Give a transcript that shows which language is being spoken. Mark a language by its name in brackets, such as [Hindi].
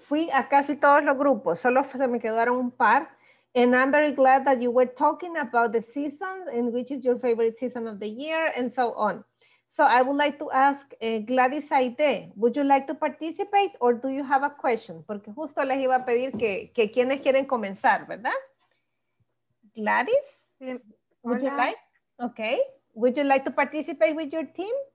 [Spanish] Fui a casi todos los grupos, solo se me quedaron un par. [English] And I'm very glad that you were talking about the seasons and which is your favorite season of the year and so on. So I would like to ask Gladys Aide, would you like to participate or do you have a question? [Spanish] Porque justo les iba a pedir que quienes quieren comenzar, ¿verdad? [English] Gladys, would [Spanish] Hola. [English] You like? Okay. Would you like to participate with your team?